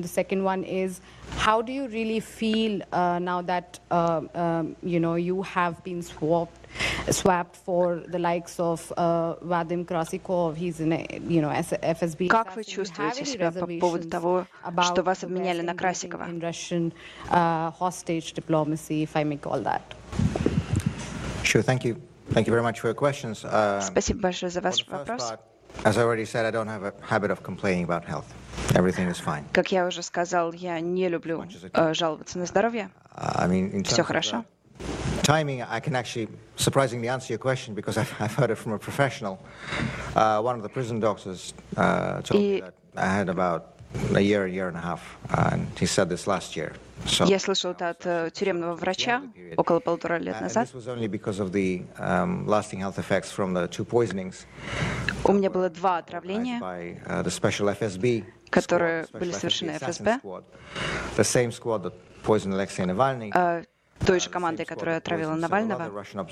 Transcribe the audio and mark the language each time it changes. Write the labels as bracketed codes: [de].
[en] The second one is, how do you really feel now that you know you have been swapped for the likes of Vadim Krasikov? He's in a, you know, FSB. [ru] Как вы чувствуете себя по поводу того, что вас обменяли на Красикова? [en] In Russian hostage diplomacy, if I may call that. Sure. Thank you. Thank you very much for your questions. [ru] Спасибо большое за ваш вопрос. [en] As I already said, I don't have a habit of complaining about health. Everything is fine. [ru] Как я уже сказал, я не люблю жаловаться на здоровье. [en] I mean, in terms [ru] все хорошо. [en] Of the timing, I can actually surprisingly answer your question because I've heard it from a professional. One of the prison doctors told me that I had about a year, year and a half, and he said this last year. [ru] So, я слышал это от тюремного врача около полутора лет назад. [en] This was only because of the lasting health effects from the two poisonings. [ru] У меня было 2 отравления, которые были совершены ФСБ, той же командой, которая отравила Навального.